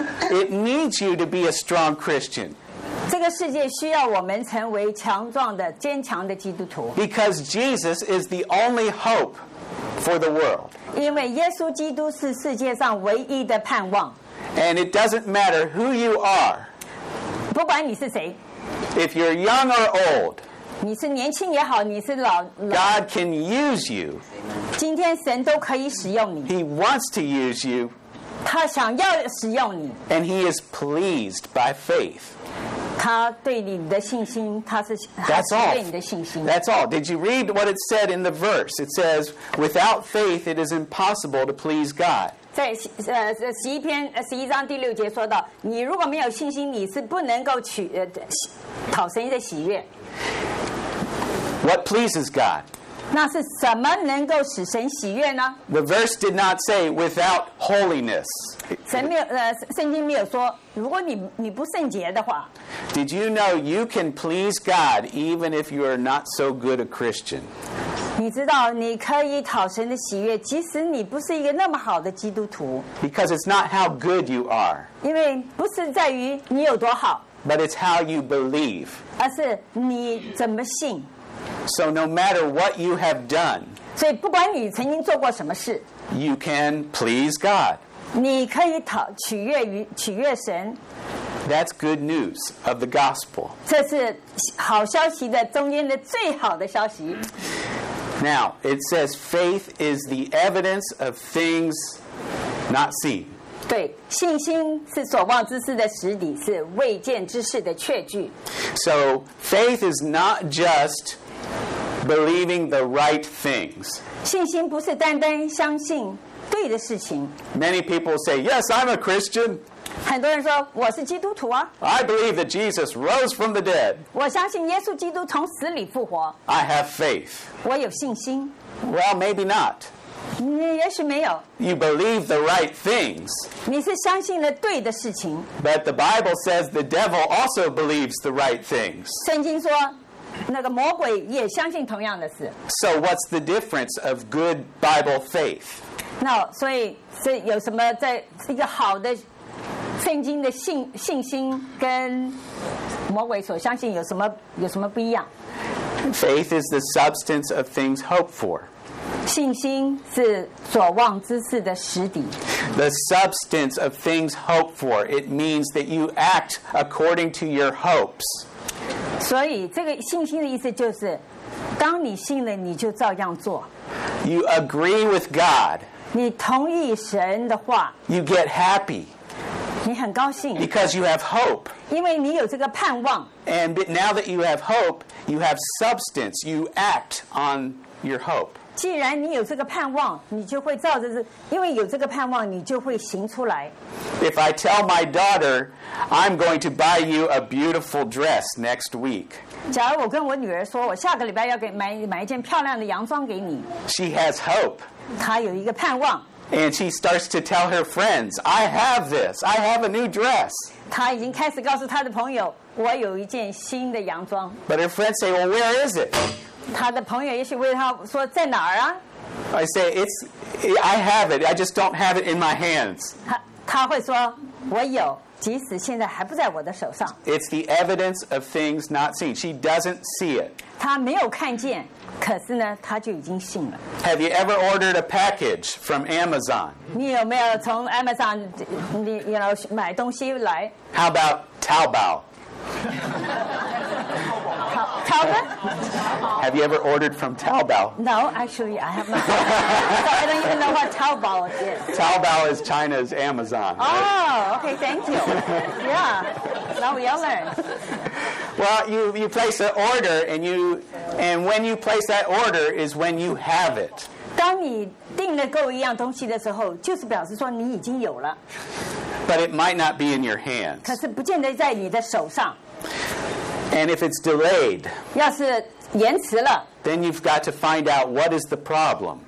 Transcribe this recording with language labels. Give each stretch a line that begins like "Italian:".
English: It needs you to be a strong Christian.
Chinese: 这个世界需要我们成为强壮的、坚强的基督徒。
English: Because Jesus is the only hope for the world.
Chinese: 因为耶稣基督是世界上唯一的盼望。
English: And it doesn't matter who you are.
Chinese: 不管你是谁。
English: If you're young or old.
Chinese: 你是年轻也好，你是老。
English: God can use you.
Chinese: 今天神都可以使用你。
English: He wants to use you.
Chinese: 他想要使用你。
English: And he is pleased by faith.
Chinese: 他对你的信心，他是
English: That's all.
Chinese: 对你的信心。
English: That's all. Did you read what it said in the verse? It says, "Without faith, it is impossible to please God."
Chinese: 在十一篇十一章第六节说到，你如果没有信心，你是不能够取讨神的喜悦。
English: What pleases God?
Chinese: 那是什么能够使神喜悦呢
English: ？The verse did not say without holiness.
Chinese: 神没有圣经没有说，如果你不圣洁的话。
English: Did you know you can please God even if you are not so good a Christian?
Chinese: 你知道你可以讨神的喜悦，即使你不是一个那么好的基督徒。
English: Because it's not how good you are.
Chinese: 因为不是在于你有多好。
English: But it's how you believe.
Chinese: 而是你怎么信。
English: So no matter what you have done,
Chinese: 所以不管你曾经做过什么事,
English: you can please God.
Chinese: 你可以取悦神。
English: That's good news of the gospel.
Chinese: 这是好消息的中间的最好的消息。
English: Now, it says faith is the evidence of things not seen.
Chinese: 对,信心是所望之事的实底,是未见之事的确据。
English: So faith is not just... Believing the right things.
Chinese: 信心不是单单相信对的事情。
English: Many people say, "Yes, I'm a Christian."
Chinese: 很多人说我是基督徒啊。
English: I believe that Jesus rose from the dead.
Chinese: 我相信耶稣基督从死里复活。
English: I have faith.
Chinese: 我有信心。
English: Well, maybe not.
Chinese: 也许没有。
English: You believe the right things.
Chinese: 你是相信了对的事情。
English: But the Bible says the devil also believes the right things.
Chinese: 圣经说。那个魔鬼也相信同样的事。
English: So what's the difference of good Bible faith?
Chinese: 那所以是有什么在一个好的圣经的信心跟魔鬼所相信有什么不一样
English: ？Faith is the substance of things hoped for.
Chinese: 信心是所望之事的实底。
English: The substance of things hoped for. It means that you act according to your hopes.
Chinese: 所以这个信心的意思就是当你信了你就照样做
English: You agree with God
Chinese: 你同意神的话
English: You get happy
Chinese: 你很高兴
English: Because you have hope
Chinese: 因为你有这个盼望
English: And now that you have hope You have substance You act on your hope
Chinese: 既然你有这个盼望你就会照着因为有这个盼望你就会行出来
English: If I tell my daughterI'm going to buy you a beautiful dress next week.
Chinese: 假如我跟我女儿说，我下个礼拜要给买一件漂亮的洋装给你。
English: She has hope.
Chinese: 她有一个盼望。
English: And she starts to tell her friends, "I have this. I have a new dress."
Chinese: 她已经开始告诉她的朋友，我有一件新的洋装。
English: But her friends say, "Well, where is it?"
Chinese: 她的朋友也许问她说，在哪儿啊
English: ？I say, "It's. I have it. I just don't have it in my hands."
Chinese: 她会说，我有。即使现在还不在我的手上。
English: It's the evidence of things not seen. She doesn't see it.
Chinese: 她没有看见，可是呢，她就已经信了。
English: Have you ever ordered a package from Amazon?
Chinese: 你有没有从 Amazon,
English: you know,
Chinese: 买东西来
English: ？How about Taobao? Taobao? Have you ever ordered from Taobao? No, actually, I have not. I don't even know what Taobao is. Taobao is China's Amazon. Right? Oh, okay, thank you. Yeah, now we all learn. Well, you place an order, and when you place that order is when you have it.
Chinese: 当你订了购一样东西的时候，就是表示说你已经有了。
English: But it might not be in your hands.
Chinese: 可是不见得在你的手上。
English: And if it's delayed,
Chinese: 要是延迟了
English: then you've got to find out what is the problem.